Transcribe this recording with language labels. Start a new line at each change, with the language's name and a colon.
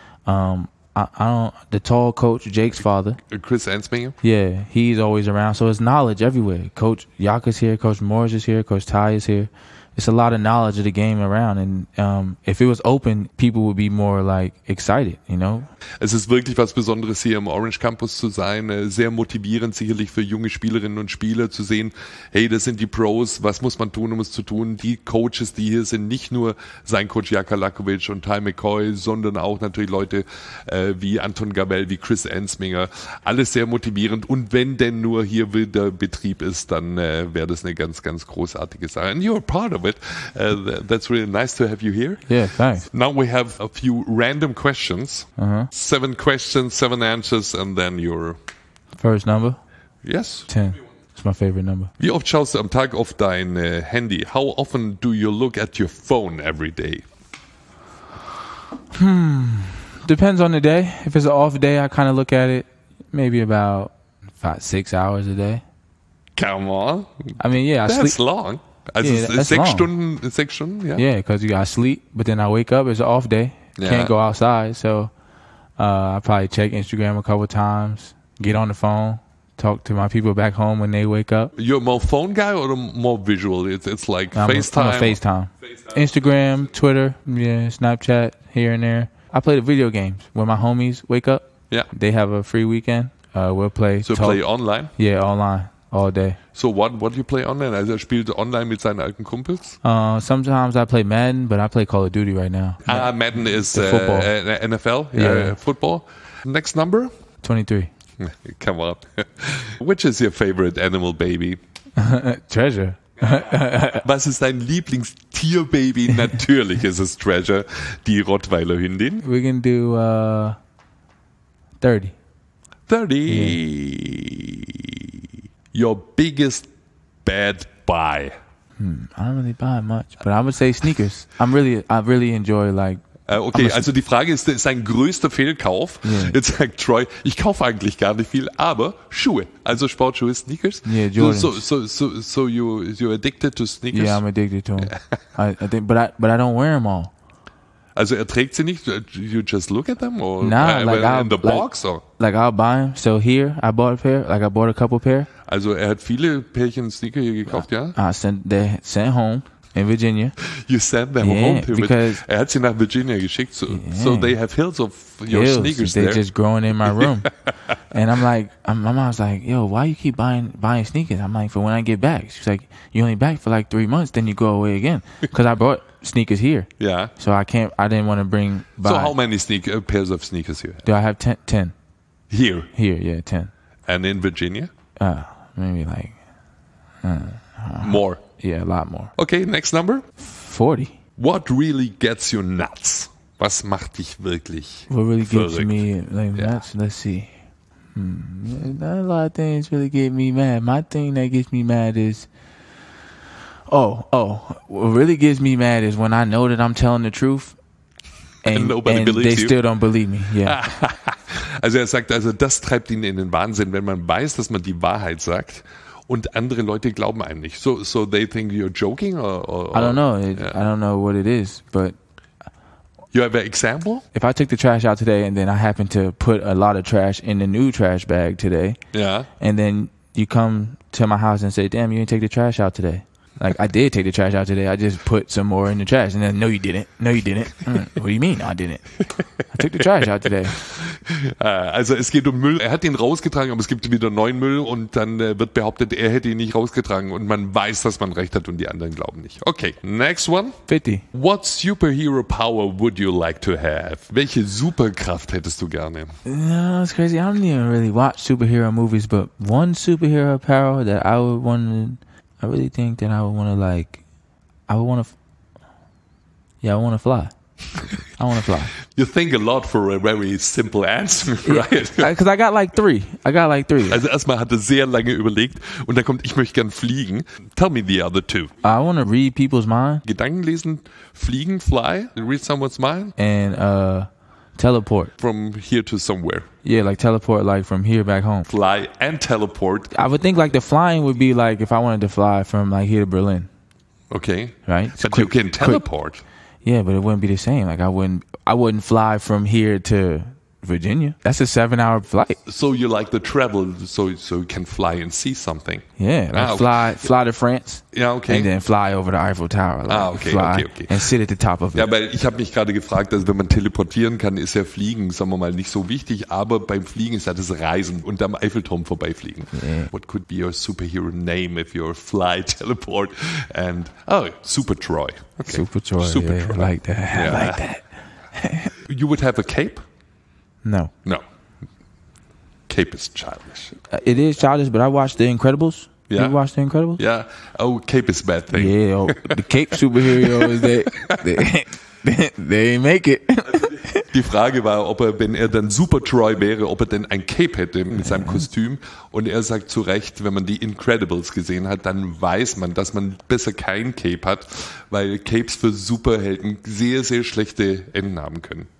English: The tall coach, Jake's father. Chris Ansminger? Yeah, he's always around. So it's knowledge everywhere. Coach Yaka's here, Coach Morris is here, Coach Ty is here. It's a lot of knowledge of the game around, and if it was open, people would be more like excited, you know?
German: Es ist wirklich was Besonderes, hier im Orange Campus zu sein. Sehr motivierend sicherlich für junge Spielerinnen und Spieler zu sehen, hey, das sind die Pros, was muss man tun, um es zu tun? Die Coaches, die hier sind, nicht nur sein Coach Jaka Lakovic und Ty McCoy, sondern auch natürlich Leute wie Anton Gabell, wie Chris Ansminger. Alles sehr motivierend, und wenn denn nur hier wieder Betrieb ist, dann wäre das eine ganz, ganz großartige Sache.
English: And you're part of it. That's really nice to have you here. Yeah, thanks. Now we have a few random questions. Uh-huh. 7 questions, 7 answers, and then your first number? Yes. 10. It's my favorite number.
German: Wie oft schaust du am Tag auf dein Handy?
English: How often do you look at your phone every day? Depends on the day. If it's an off day, I kind of look at it maybe about 5-6 hours a day. Come on. I mean, yeah. That's long. Also yeah, that's six long.
German: Stunden,
English: yeah, because you got sleep, but then I wake up, it's an off day. Yeah. Can't go outside, so... I probably check Instagram a couple of times, get on the phone, talk to my people back home when they wake up. You're more phone guy or more visual? It's like FaceTime. Instagram, Twitter, yeah, Snapchat, here and there. I play the video games when my homies wake up. Yeah. They have a free weekend. We'll play. So talk. Play online? Yeah, online, all day. So what do you play online?
German: Also spielt online mit seinen alten Kumpels?
English: Sometimes I play Madden, but I play Call of Duty right now. Madden is football. NFL, yeah. Football. Next number? 23. Come on. Which is your favorite animal baby? Treasure.
German: Was ist dein Lieblingstierbaby? Natürlich ist es Treasure, die Rottweiler Hündin.
English: We can do 30. 30. Yeah. Your biggest bad buy? I don't really buy much, but I would say sneakers. I really enjoy, like...
German: Okay, also die Frage ist, sein größter Fehlkauf?
English: Yeah.
German: Jetzt sagt Troy, ich kaufe eigentlich gar nicht viel, aber Schuhe. Also Sportschuhe, Sneakers?
English: Yeah, Jordans. So you're addicted to sneakers? Yeah, I'm addicted to them. I don't wear them all.
German: Also trägt sie nicht?
English: You just look at them? Or nah, like in the box? Like, or? Like I'll buy them. So here, I bought a pair. Like I bought a couple pair.
German: Also hat viele Pärchen Sneaker hier gekauft, ja?
English: I sent home in Virginia. You sent them yeah, home to Virginia? Because
German: hat sie nach Virginia geschickt.
English: So, yeah. So they have hills of your hills, sneakers they're there. They're just growing in my room. And I'm like, my mom's like, yo, why you keep buying sneakers? I'm like, for when I get back. She's like, you only back for like 3 months, then you go away again. Because I brought sneakers here. Yeah. So I didn't want to bring by. So how many pairs of sneakers here? Do I have 10? Here? Here, yeah, 10. And in Virginia? Maybe like more. Yeah, a lot more. Okay, next number? 40. What really gets you nuts?
German: Was macht dich wirklich
English: What really gets me like yeah. nuts? Let's see. Not a lot of things really get me mad. My thing that gets me mad is, what really gets me mad is when I know that I'm telling the truth and nobody believes you. Still don't believe me. Yeah.
German: Also er sagt, also das treibt ihn in den Wahnsinn, wenn man weiß, dass man die Wahrheit sagt und andere Leute glauben einem nicht.
English: So they think you're joking or I don't know. I don't know what it is, but you have an example? If I took the trash out today and then I happen to put a lot of trash in the new trash bag today. Yeah. And then you come to my house and say, "Damn, you didn't take the trash out today." Like, I did take the trash out today. I just put some more in the trash. And then, no, you didn't. No, you didn't. What do you mean, I didn't? I took the trash out today.
German: Also, es geht um Müll. Er hat ihn rausgetragen, aber es gibt wieder neuen Müll. Und dann wird behauptet, er hätte ihn nicht rausgetragen. Und man weiß, dass man recht hat und die anderen glauben nicht.
English: Okay, next one. 50. What superhero power would you like to have?
German: Welche Superkraft hättest du gerne?
English: No, it's crazy. I don't even really watch superhero movies. But one superhero power that I would want to... I really think that I would want to like, I want to fly. I want to fly. You think a lot for a very simple answer, right? Because I got like three.
German: Also erstmal hat er sehr lange überlegt und dann kommt, ich möchte gern fliegen.
English: Tell me the other two. I want to read people's mind.
German: Gedanken lesen, fliegen,
English: fly, read someone's mind. And teleport. From here to somewhere. Yeah, like teleport, like from here back home. Fly and teleport. I would think like the flying would be like if I wanted to fly from like here to Berlin. Okay. Right? But you can teleport. Yeah, but it wouldn't be the same. Like I wouldn't fly from here to Virginia. That's a 7-hour flight. So you like the travel, so you can fly and see something. Yeah, like fly to France. Yeah, okay. And then fly over the Eiffel Tower. Like okay. And sit at the top of it.
German: Ja, weil ich habe mich gerade gefragt, dass wenn man teleportieren kann, ist ja Fliegen, sagen wir mal, nicht so wichtig. Aber beim Fliegen ist ja das Reisen und am Eiffelturm vorbeifliegen.
English: Yeah. What could be your superhero name if you're fly, teleport, and Super Troy. Okay. Super Troy. Super Troy. Yeah, like that. Yeah. I like that. You would have a cape. No. Cape is childish. It is childish, but I watched The Incredibles. Yeah. You watched The Incredibles? Yeah. Oh, cape is a bad thing. Yeah. Oh, the cape superhero is that they make it.
German: Die Frage war, ob er, wenn er dann Super Troy wäre, ob er denn ein Cape hätte mit seinem Kostüm. Und er sagt zu Recht, wenn man die Incredibles gesehen hat, dann weiß man, dass man besser kein Cape hat, weil Capes für Superhelden sehr, sehr schlechte Enden haben können.